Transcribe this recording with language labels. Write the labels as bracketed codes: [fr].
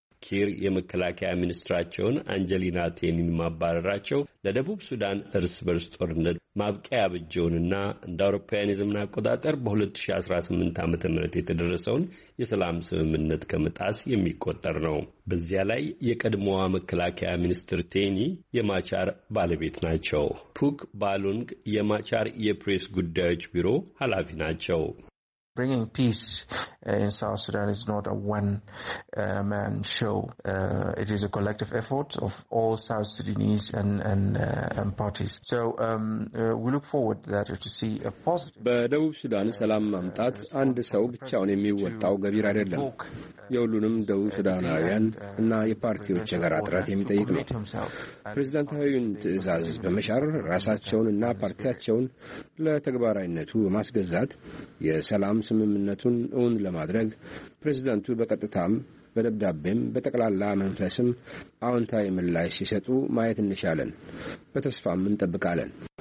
[am] ኪር የመከላከያ ሚኒስትራቸውን አንጀሊና ቴኒን ማባረራቸው ለደቡብ ሱዳን እርስ በርስ ጦርነት ማብቂያ ያበጀውንና እንደ አውሮፓውያን የዘመን አቆጣጠር በ2018 ዓ.ም የተደረሰውን የሰላም ስምምነት ከመጣስ የሚቆጠር ነው። በዚያ ላይ የቀድሞዋ መከላከያ ሚኒስትር ቴኒ የማቻር ባለቤት ናቸው። ፑክ ባሉንግ የማቻር የፕሬስ ጉዳዮች ቢሮ ኃላፊ ናቸው። [en] Bringing peace in South Sudan is not a one-man show. It is a collective effort of all South Sudanese and parties. So we look forward that to see a positive... [am] በደቡብ ሱዳን ሰላም ማምጣት አንድ ሰው ብቻውን የሚወጣው ገቢር አይደለም። የሁሉንም ደቡብ ሱዳናውያን እና የፓርቲዎች የጋራ ጥረት የሚጠይቅ ነው። ፕሬዚዳንታዊውን ትዕዛዝ በመሻር ራሳቸውን እና ፓርቲያቸውን ለተግባራዊነቱ በማስገዛት የሰላም ስምምነቱን እውን ለማድረግ ፕሬዝዳንቱ በቀጥታም በደብዳቤም በጠቅላላ መንፈስም አዎንታዊ ምላሽ ሲሰጡ ማየት እንሻለን፣ በተስፋም እንጠብቃለን።